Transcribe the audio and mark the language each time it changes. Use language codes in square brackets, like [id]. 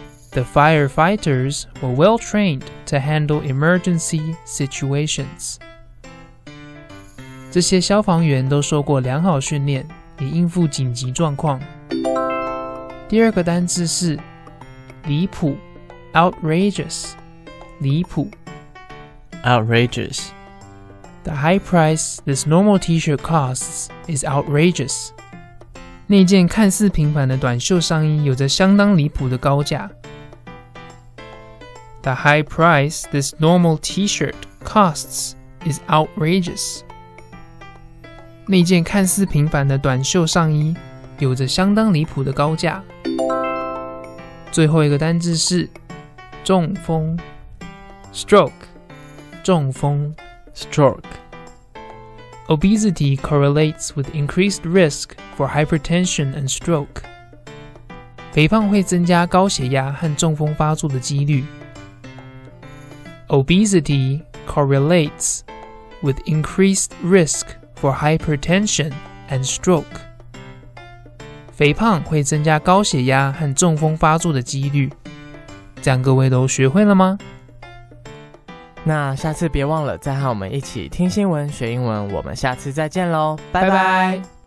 [en] The firefighters were well trained to handle emergency situations. [zh] 这些消防员都受过良好训练，以应付紧急状况。第二个单字是离谱 ，outrageous， 离谱 [en] ，outrageous. The high price this normal T-shirt costs is outrageous. [zh] 那件看似平凡的短袖上衣有着相当离谱的高价。 [en] The high price this normal T-shirt costs is outrageous. [zh] 那件看似平凡的短袖上衣有着相当离谱的高价。最后一个单字是中风 ，stroke， 中风 [en] ，stroke。 Obesity correlates with increased risk for hypertension and stroke. [zh] 肥胖会增加高血压和中风发作的几率。 [en] Obesity correlates with increased risk for hypertension and stroke. [zh] 肥胖会增加高血压和中风发作的几率。这样各位都学会了吗？那下次别忘了再和我们一起听新闻学英文。我们下次再见咯，拜拜。